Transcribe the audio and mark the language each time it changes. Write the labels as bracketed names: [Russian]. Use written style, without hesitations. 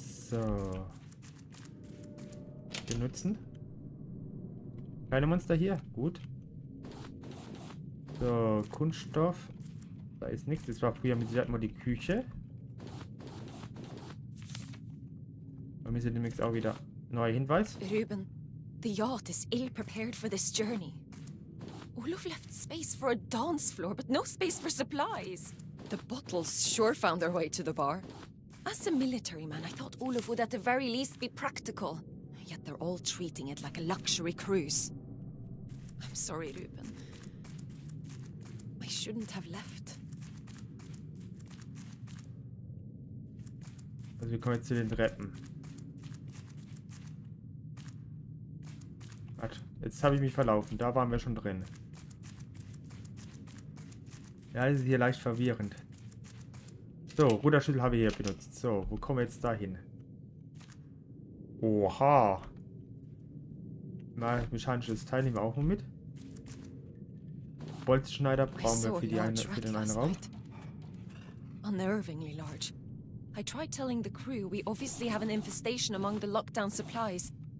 [German] So. Benutzen. Keine Monster hier, gut. So, Kunststoff. Da ist nichts. Das war früher mit Sicherheit mal die Küche. Und wir sind nämlich auch wieder. Neuer Hinweis. [English] Ruben, the yacht is ill prepared for this journey. Olaf left space for a dance floor, but no space for supplies. The bottles sure found their way to the bar. As a military man, I thought Olaf would at the very least be practical. Yet they're all treating it like a luxury cruise. I'm sorry, Ruben. I shouldn't have left. [German] Also wir kommen jetzt zu den Treppen. Warte, jetzt habe ich mich verlaufen. Da waren wir schon drin. Ja, das ist hier leicht verwirrend. So, Ruderschlüssel habe ich hier benutzt. So, wo kommen wir jetzt dahin? Oha. Mal mechanisches Teil nehmen wir auch mal mit. Bolzenschneider brauchen wir für den einen Raum. [English] Unnervingly large. I tried telling the crew we obviously have an infestation among the lockdown supplies.